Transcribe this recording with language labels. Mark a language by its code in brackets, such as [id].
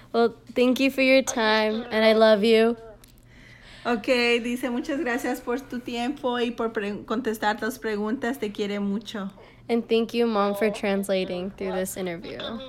[en] Well, thank you for your time and I love you. [es] Okay, dice muchas gracias por tu tiempo y por contestar tus preguntas. Te quiere mucho. [en] And thank you, Mom, for translating through this interview.